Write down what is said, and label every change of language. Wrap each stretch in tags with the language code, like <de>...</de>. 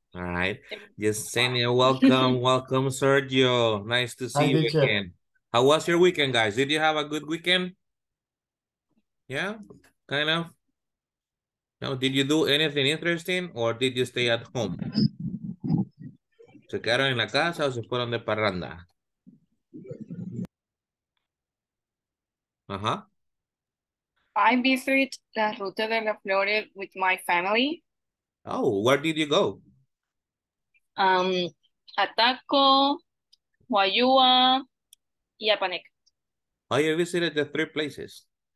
<en>All right. Yesenia, welcome. Welcome, Sergio. Nice to see you again. How was your weekend, guys? Did you have a good weekend? Yeah, kind of. No, did you do anything interesting or did you stay at home?</en> <es>¿Se quedaron en la casa o se fueron de parranda?</es> <en>I visited La Ruta de la Flores with my family. Oh, where did you go? Ataco, Huayua, Yapanek. Oh, you visited the 3 places.</en>